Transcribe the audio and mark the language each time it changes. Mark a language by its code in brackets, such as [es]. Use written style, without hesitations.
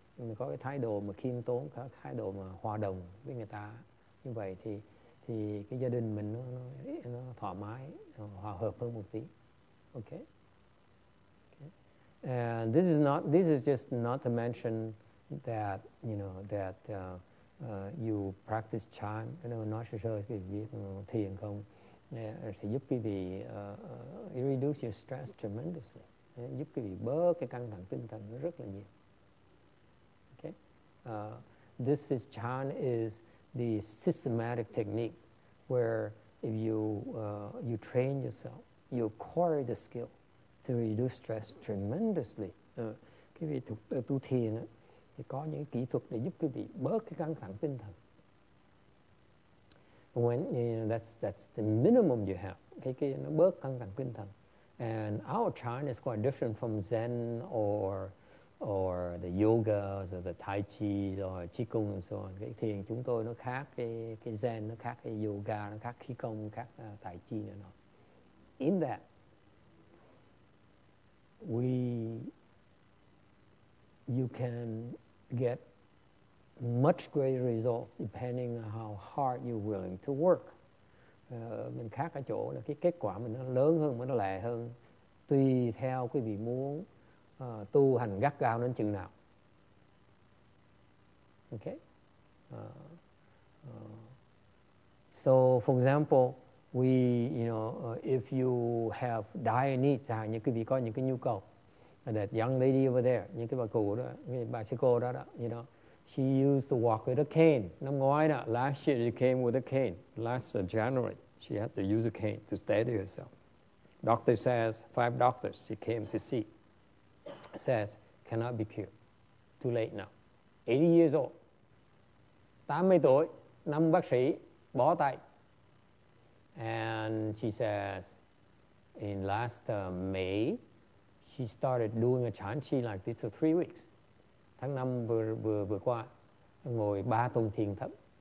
[vi] Mình có cái thái độ mà khiêm tốn, có thái độ mà hòa đồng với người ta, như vậy thì cái gia đình mình nó thoải mái, hòa hợp hơn một tí. [en] Okay. And this is just not to mention that, you know, that you practice chan, you know, not sure if you [vi] biết thiền không, sẽ giúp quý vị [en] reduce your stress tremendously. [vi] Giúp quý vị bớt cái căng thẳng tinh thần rất là nhiều. [en] Okay, this is chan is the systematic technique where if you train yourself, you acquire the skill to reduce stress tremendously. [vi] Quý vị tu thiền thì có những kỹ thuật để giúp quý vị bớt cái căng thẳng tinh thần. [en] When you know, that's the minimum you have. [vi] Cái nó bớt căng thẳng tinh thần. [en] And our Chan is quite different from Zen or the yoga or the Tai Chi or Qigong and so on. [vi] Cái thiền chúng tôi nó khác cái Zen, nó khác cái yoga, nó khác Qigong, khác Tai Chi nữa. [en] In that, you can get much greater results depending on how hard you're willing to work. [vi] Mình khác ở chỗ là cái kết quả mình nó lớn hơn, nó lẹ hơn, tùy theo quý vị muốn tu hành gắt gao đến chừng nào. [en] Okay. So, for example, if you have dire needs, [vi] những cái vị có những cái nhu cầu, [en] that young lady over there, [vi] những cái bà cụ đó, bà sư cô đó, [en] she used to walk with a cane. [vi] Năm ngoái đó, [en] last year she came with a cane. Last January, she had to use a cane to steady herself. Doctor says, five doctors she came to see, says, cannot be cured. Too late now. 80 years old. [vi] 80 tuổi, năm bác sĩ, bó tay. [en] And she says, in last May, she started doing a chan chi like this for 3 weeks. [vi] Tháng năm vừa qua, ngồi 3 tuần thiền thất.